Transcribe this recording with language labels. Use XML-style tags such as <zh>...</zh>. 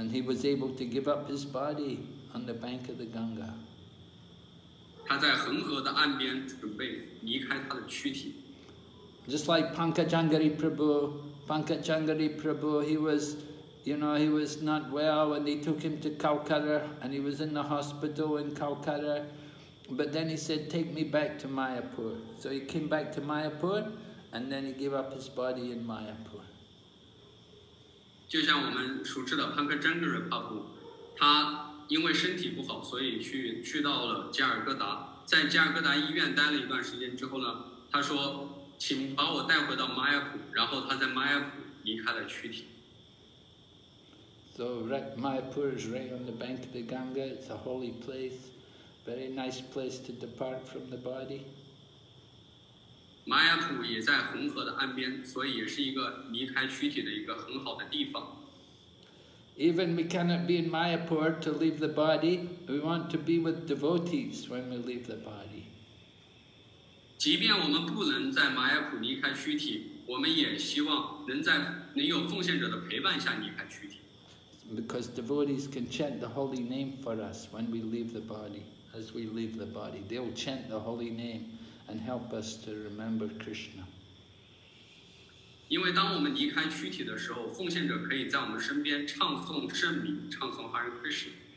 <en>And he was able to give up his body on the bank of the Ganga.</en> <zh>他在恒河的岸边准备离开他的躯体。</zh> <en>Just like Pankajangari Prabhu, Pankajangari Prabhu, he was, you know, he was not well and they took him to Calcutta and he was in the hospital in Calcutta. But then he said, take me back to Mayapur. So he came back to Mayapur and then he gave up his body in Mayapur.</en> <zh>就像我们熟知的 Pankajangari Prabhu, 他因为身体不好所以 去到了加尔各答。在加尔各答医院待了一段时间之后呢，他说请把我带回到玛雅普，然后他在玛雅普离开了躯体。</zh> <en>So Mayapur is right on the bank of the Ganga. It's a holy place, very nice place to depart from the body.</en> <zh>玛雅普也在恒河的岸边，所以也是一个离开躯体的一个很好的地方。</zh> <en>Even we cannot be in Mayapur to leave the body, we want to be with devotees when we leave the body.</en> <zh>即便我们不能在玛雅普离开躯体，我们也希望能在能有奉献者的陪伴下离开躯体。</zh> <en>Because devotees can chant the holy name for us when we leave the body, as we leave the body, they will chant the holy name and help us to remember Krishna.</en> <zh>因为当我们离开躯体的时候，奉献者可以在我们身边唱诵圣名，唱诵 Hare Krishna。</zh>